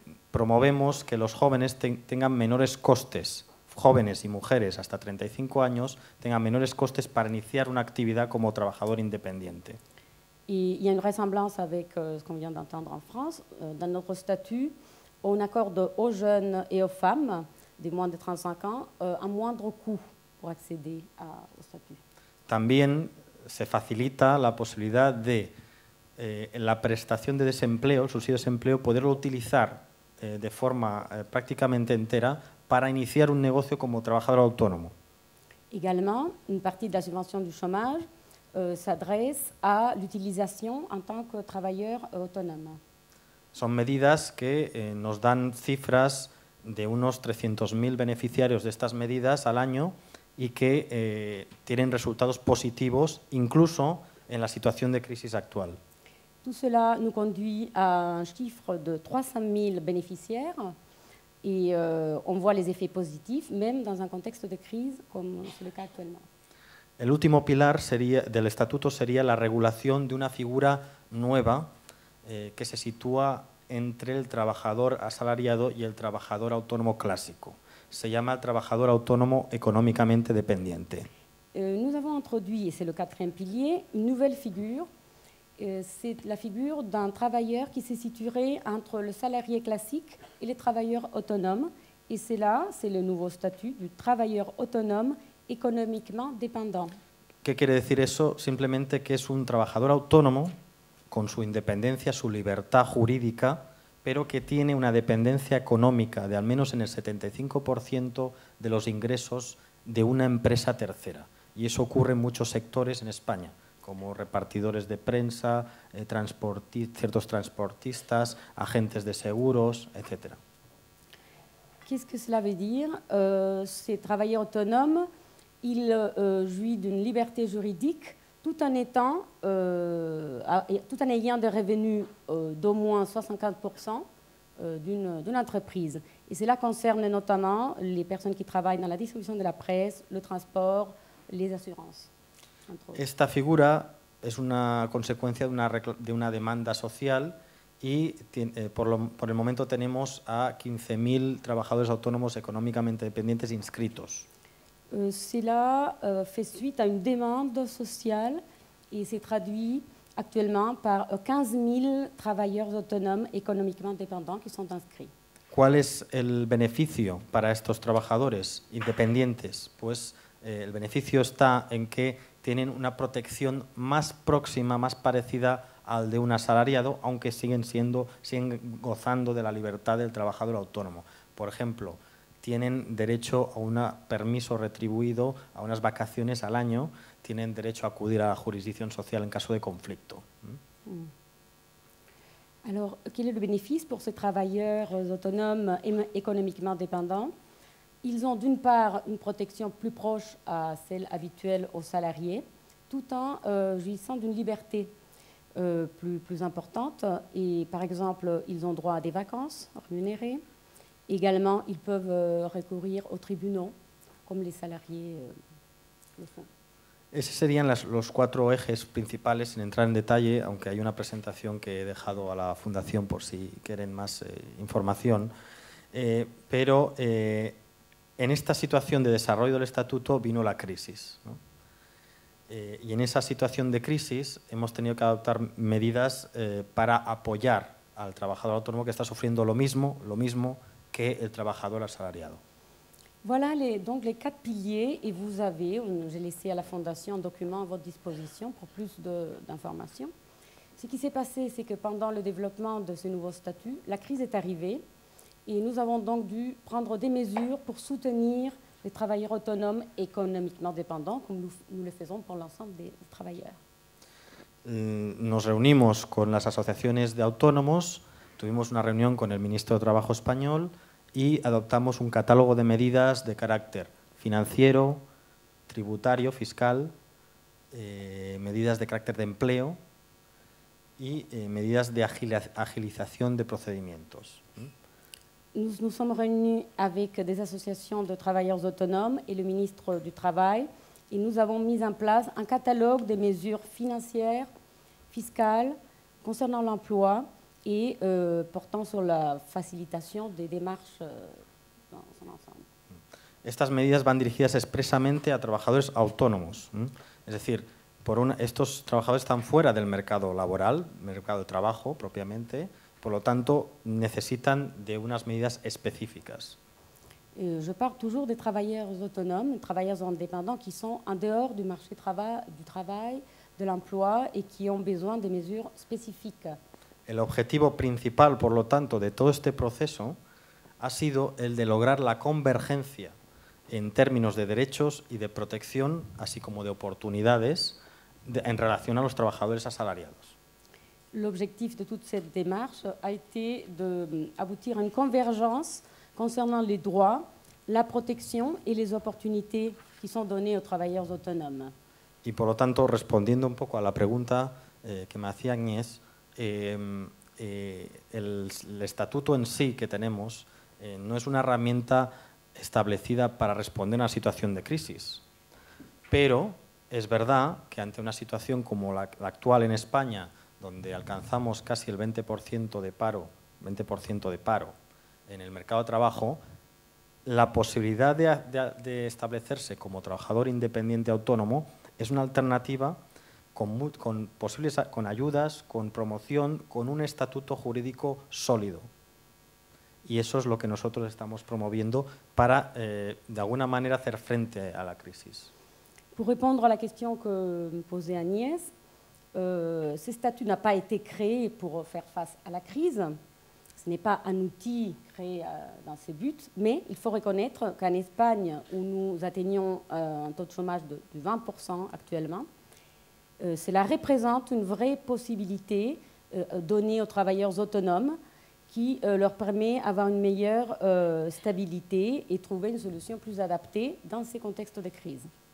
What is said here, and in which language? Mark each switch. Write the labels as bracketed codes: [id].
[es] Promovemos que los jóvenes tengan menores costes, jóvenes y mujeres hasta 35 años tengan menores costes para iniciar una actividad como trabajador independiente. Y hay una [fr] ressemblance avec ce qu'on vient d'entendre en France. Dans notre statut, on accorde aux jeunes et aux femmes de moins de 35 ans un moindre coût pour accéder au statut. [es] También se facilita la posibilidad de la prestación de desempleo, el subsidio de desempleo, poderlo utilizar de forma prácticamente entera para iniciar un negocio como trabajador autónomo. [fr] Également, une partie de la subvention du chômage s'adresse à l'utilisation en tant que travailleur autonome. [es] Son medidas que nos dan cifras de unos 300.000 beneficiarios de estas medidas al año y que tienen resultados positivos incluso en la situación de crisis actual. [fr] Tout cela nous conduit à un chiffre de 300 000 bénéficiaires et on voit les effets positifs même dans un contexte de crise comme c'est le cas actuellement. [es] El último pilar del estatuto sería la regulación de una figura nueva que se sitúa entre el trabajador asalariado y el trabajador autónomo clásico. Se llama el trabajador autónomo económicamente dependiente. [fr] Nous avons introduit, et c'est le quatrième pilier, une nouvelle figure. C'est la figure d'un travailleur qui se situerait entre le salarié classique et les travailleurs autonomes. Et c'est là, c'est le nouveau statut du travailleur autonome économiquement dépendant. [es] ¿Qué quiere decir eso? Simplemente que es un trabajador autónomo con su independencia, su libertad jurídica, pero que tiene una dependencia económica de al menos en el 75% de los ingresos de una empresa tercera. Y eso ocurre en muchos sectores en España, como repartidores de prensa, ciertos transportistas, agentes de seguros, etc. [fr] Qu'est-ce que cela veut dire? Ces travailleurs autonomes, ils jouissent d'une liberté juridique tout en ayant des revenus d'au moins 75% d'une entreprise. Et cela concerne notamment les personnes qui travaillent dans la distribution de la presse, le transport, les assurances. [es] Esta figura es una consecuencia de una demanda social y por el momento tenemos a 15.000 trabajadores autónomos económicamente dependientes inscritos. [fr] Cela fait suite à une demande sociale et se traduit actuellement par 15.000 travailleurs autonomes économiquement dépendants qui sont inscrits. [es] ¿Cuál es el beneficio para estos trabajadores independientes? Pues el beneficio está en que tienen una protección más próxima, más parecida al de un asalariado, aunque siguen gozando de la libertad del trabajador autónomo. Por ejemplo, tienen derecho a un permiso retribuido, a unas vacaciones al año, tienen derecho a acudir a la jurisdicción social en caso de conflicto. [fr] Alors, quel est le bénéfice pour ces travailleurs autonomes économiquement dépendants? Ils ont d'une part une protection plus proche à celle habituelle aux salariés, tout en jouissant d'une liberté plus importante. Et par exemple, ils ont droit à des vacances rémunérées. Également, ils peuvent recourir aux tribunaux, comme les salariés le font. [es] Esos serían los cuatro ejes principales, sin entrar en detalle, aunque hay una presentación que he dejado a la Fundación por si quieren más información. En esta situación de desarrollo del estatuto vino la crisis, ¿no? Y en esa situación de crisis hemos tenido que adoptar medidas para apoyar al trabajador autónomo que está sufriendo lo mismo que el trabajador asalariado. [fr] Voilà donc les quatre piliers, et vous avez, j'ai laissé à la Fondation un document à votre disposition pour plus d'informations. Ce qui s'est passé, c'est que pendant le développement de ce nouveau statut, la crise est arrivée et nous avons donc dû prendre des mesures pour soutenir les travailleurs autonomes économiquement dépendants, comme nous le faisons pour l'ensemble des travailleurs. [es] Nos reunimos con las asociaciones de autónomos, tuvimos una reunión con el ministro de Trabajo español y adoptamos un catálogo de medidas de carácter financiero, tributario, fiscal, medidas de carácter de empleo y medidas de agilización de procedimientos. [fr] Nous sommes réunis avec des associations de travailleurs autonomes et le ministre du Travail et nous avons mis en place un catalogue des mesures financières, fiscales, concernant l'emploi et portant sur la facilitation des démarches dans son ensemble. [es] Estas medidas van dirigidas expresamente a trabajadores autónomos. Es decir, estos trabajadores están fuera del mercado laboral, mercado de trabajo propiamente. Por lo tanto, necesitan de unas medidas específicas. [fr] Je parle toujours des travailleurs autonomes, des travailleurs indépendants qui sont en dehors du marché du travail, de l'emploi et qui ont besoin de mesures spécifiques. [es] El objetivo principal, por lo tanto, de todo este proceso ha sido el de lograr la convergencia en términos de derechos y de protección, así como de oportunidades, en relación a los trabajadores asalariados. [fr] L'objectif de toute cette démarche a été d'aboutir à une convergence concernant les droits, la protection et les opportunités qui sont données aux travailleurs autonomes. Et [es] por lo tanto, respondiendo un poco a la pregunta que me hacía Agnès, el estatuto en sí que tenemos no es una herramienta establecida para responder a una situación de crisis, pero es verdad que ante una situación como la actual en España, donde alcanzamos casi el 20% de paro, 20% de paro en el mercado de trabajo, la posibilidad de establecerse como trabajador independiente autónomo es una alternativa con ayudas, con promoción, con un estatuto jurídico sólido. Y eso es lo que nosotros estamos promoviendo para, de alguna manera, hacer frente a la crisis. [fr] Pour répondre à la question que me posait Agnès, ce statut n'a pas été créé pour faire face à la crise. Ce n'est pas un outil créé dans ses buts, mais il faut reconnaître qu'en Espagne, où nous atteignons un taux de chômage de 20% actuellement, cela représente une vraie possibilité donnée aux travailleurs autonomes qui leur permet d'avoir une meilleure stabilité et trouver une solution plus adaptée dans ces contextes de crise.